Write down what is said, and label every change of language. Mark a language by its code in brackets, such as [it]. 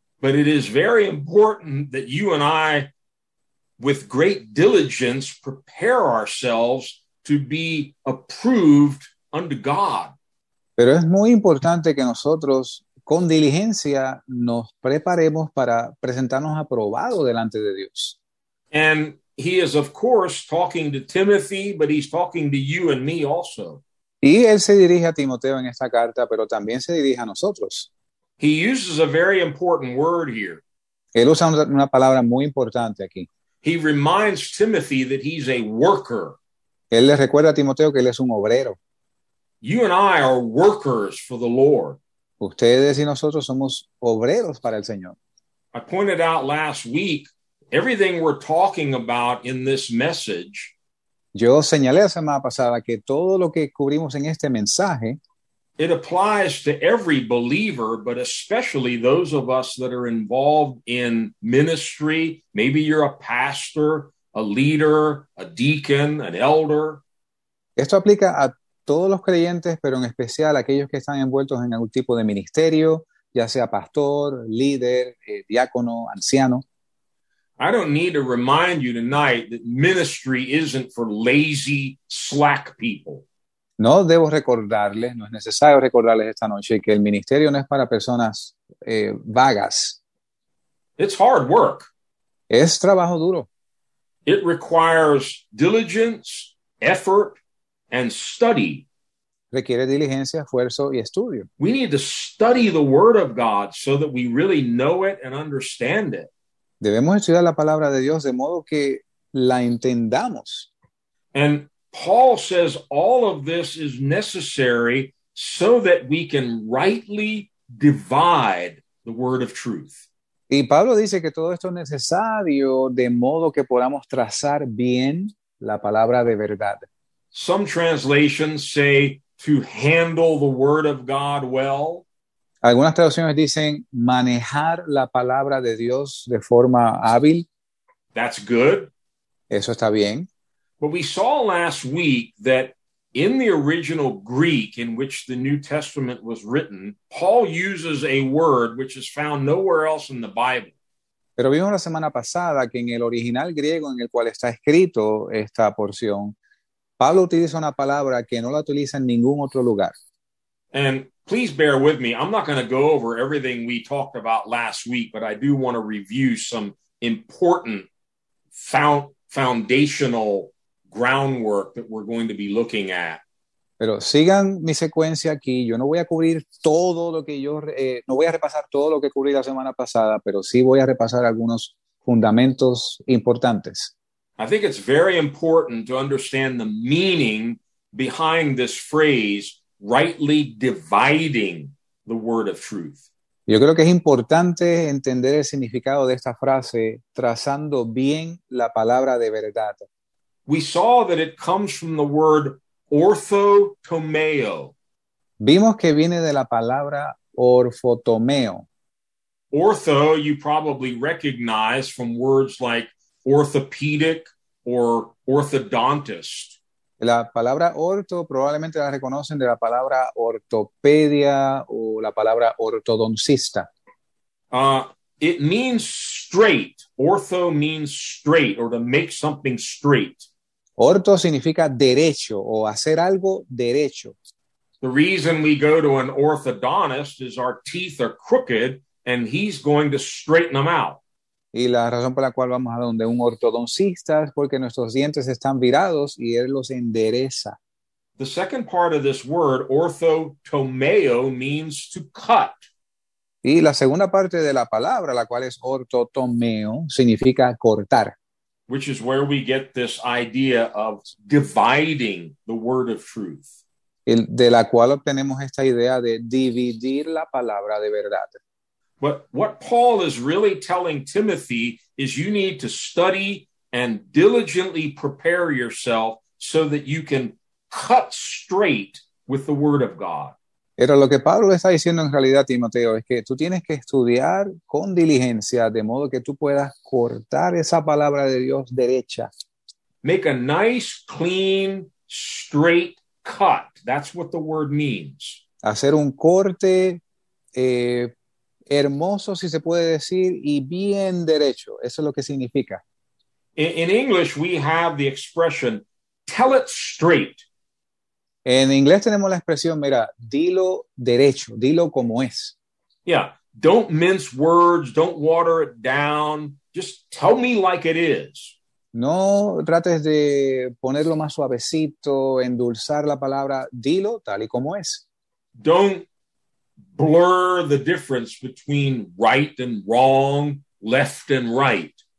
[en] But it is very important that you and I, with great diligence, prepare ourselves to be approved unto God. [es] Pero es muy importante que nosotros, con diligencia, nos preparemos para presentarnos aprobado delante de Dios. [en] And he is, of course, talking to Timothy, but he's talking to you and me also. [es] Y él se dirige a Timoteo en esta carta, pero también se dirige a nosotros. [en] He uses a very important word here. [es] Él usa una palabra muy importante aquí. [en] He reminds Timothy that he's a worker. [es] Él le recuerda a Timoteo que él es un obrero. [en] You and I are workers for the Lord. [es] Ustedes y nosotros somos obreros para el Señor. [en] I pointed out last week, everything we're talking about in this message, [es] yo señalé la semana pasada que todo lo que cubrimos en este mensaje, [en] it applies to every believer, but especially those of us that are involved in ministry. Maybe you're a pastor, a leader, a deacon, an elder. [es] Esto aplica a todos los creyentes, pero en especial aquellos que están envueltos en algún tipo de ministerio, ya sea pastor, líder, diácono, anciano. [en] I don't need to remind you tonight that ministry isn't for lazy, slack people. [es] No debo recordarles, no es necesario recordarles esta noche que el ministerio no es para personas vagas. [en] It's hard work. [es] Es trabajo duro. [en] It requires diligence, effort, and study. [es] Requiere diligencia, esfuerzo y estudio. [en] We need to study the Word of God so that we really know it and understand it. [es] Debemos estudiar la palabra de Dios de modo que la entendamos. [en] And Paul says all of this is necessary so that we can rightly divide the word of truth. [es] Y Pablo dice que todo esto es necesario de modo que podamos trazar bien la palabra de verdad. [en] Some translations say to handle the word of God well. [es] Algunas traducciones dicen manejar la palabra de Dios de forma hábil. [en] That's good. [es] Eso está bien. [en] But we saw last week that in the original Greek in which the New Testament was written, Paul uses a word which is found nowhere else in the Bible. [es] Pero vimos la semana pasada que en el original griego en el cual está escrito esta porción, Pablo utiliza una palabra que no la utiliza en ningún otro lugar. [en] And please bear with me. I'm not going to go over everything we talked about last week, but I do want to review some important foundational groundwork that we're going to be looking at. [es] Pero sigan mi secuencia aquí. Yo no voy a cubrir todo lo que yo, no voy a repasar todo lo que cubrí la semana pasada, pero sí voy a repasar algunos fundamentos importantes. [en] I think it's very important to understand the meaning behind this phrase, rightly dividing the word of truth. [es] Yo creo que es importante entender el significado de esta frase, trazando bien la palabra de verdad. [en] We saw that it comes from the word orthotomeo. [es] Vimos que viene de la palabra orfotomeo. [en] Ortho, you probably recognize from words like orthopedic or orthodontist. [es] La palabra orto probablemente la reconocen de la palabra ortopedia o la palabra ortodoncista. [en] It means straight. Ortho means straight or to make something straight. [es] Orto significa derecho o hacer algo derecho. [en] The reason we go to an orthodontist is our teeth are crooked and he's going to straighten them out. [es] Y la razón por la cual vamos a donde un ortodoncista es porque nuestros dientes están virados y él los endereza. [en] The second part of this word, orthotomeo, means to cut. [es] Y la segunda parte de la palabra, la cual es orthotomeo, significa cortar. [en] Which is where we get this idea of dividing the word of truth. [es] De la cual obtenemos esta idea de dividir la palabra de verdad. [en] But what Paul is really telling Timothy is you need to study and diligently prepare yourself so that you can cut straight with the word of God. [es] Pero lo que Pablo está diciendo en realidad, Timoteo, es que tú tienes que estudiar con diligencia de modo que tú puedas cortar esa palabra de Dios derecha. [en] Make a nice, clean, straight cut. That's what the word means. [es] Hacer un corte hermoso, si se puede decir, y bien derecho. Eso es lo que significa. [en] In English, we have the expression, tell it straight. [es] En inglés tenemos la expresión, mira, dilo derecho, dilo como es. [en] Yeah, don't mince words, don't water it down, just tell me like it is. [es] No trates de ponerlo más suavecito, endulzar la palabra, dilo tal y como es. [en] Don't blur the difference between right and wrong, left and right.